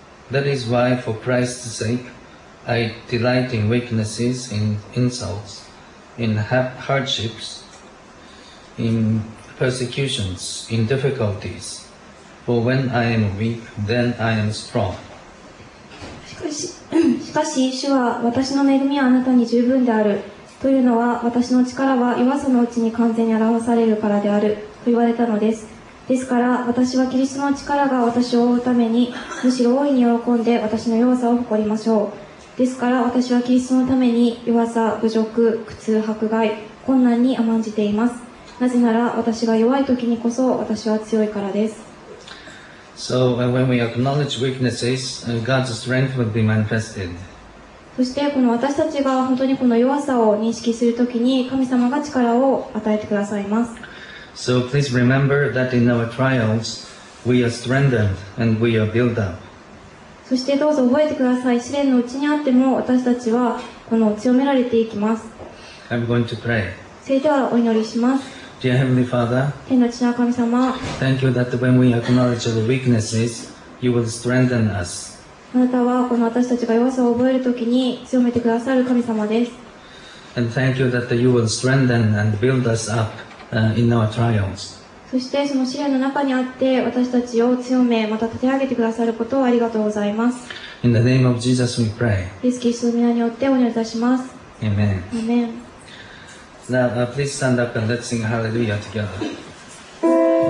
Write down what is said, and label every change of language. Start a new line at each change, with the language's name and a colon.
English: That is why, for Christ's sake, I delight in weaknesses, in insults, in hardships, in persecutions, in difficulties. For when I am weak, then I am strong.
Japanese: しかし、主は私の恵みはあなたに十分である。というのは、私の力は弱さのうちに完全に表されるからである。と言われたのです。ですから、私はキリストの力が私を覆うために、むしろ大いに喜んで私の弱さを誇りましょう。ですから、私はキリストのために弱さ、侮辱、苦痛、迫害、困難に甘んじています。なぜなら私が弱い時にこそ私は強いからです。
English: So, when we acknowledge weaknesses, God's strength will be manifested.
Japanese: そしてこの私たちが本当にこの弱さを認識するときに神様が力を与えてくださいます。
English: So, please remember that in our trials, we are strengthened and we are built up.
Japanese: そしてどうぞ覚えてください。試練のうちにあっても私たちはこの強められていきます。
English: I'm going to pray.
Japanese: それではお祈りします。
English: Dear Heavenly Father,
Japanese: 天の父なる神様、
English: Thank you that when we acknowledge our weaknesses, you will strengthen us.
Japanese: あなたはこの私たちが弱さを覚えるときに強めてくださる神様です。
English: And thank you that you will strengthen and build us up in our trials.
Japanese: そしてその試練の中にあって私たちを強め、また立て上げてくださることをありがとうございます。
English: In the name of Jesus we pray.
Japanese: イエス・キリストの名によってお祈りいたします。
English: Amen. Amen. Now, please stand up and let's sing Hallelujah together.